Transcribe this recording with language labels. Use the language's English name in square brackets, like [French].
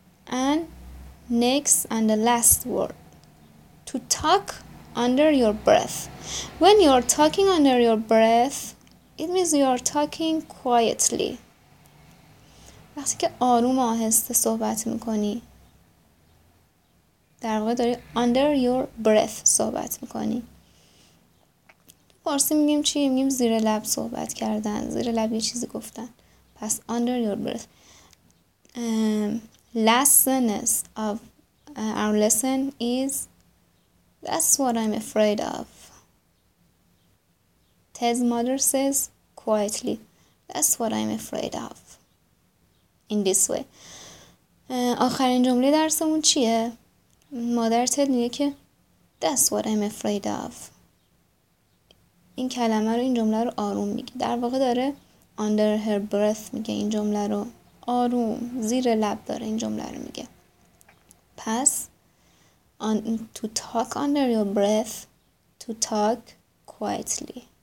[English] And next and the last word, to talk under your breath. When you are talking under your breath, it means you are talking quietly. [Persian] وقتی که آروم آهسته صحبت میکنی، در واقع داری [English] under your breath [Persian] صحبت میکنی. تو فارسی میگیم چی؟ میگیم زیر لب صحبت کردن، زیر لب یه چیزی گفتن. پس under your breath. [English] Last sentence of our lesson is, that's what I'm afraid of. Ted's mother says quietly, that's what I'm afraid of. In this way. [Persian] آخرین جمله درسمون چیه؟ مادر تد میگه که [English] That's what I'm afraid of. [Persian] این کلمه رو، این جمله رو آروم میگه. در واقع داره [English] under her breath [Persian] میگه این جمله رو، آروم زیر لب داره این جمله رو میگه. [English] پس to talk under your breath, to talk quietly.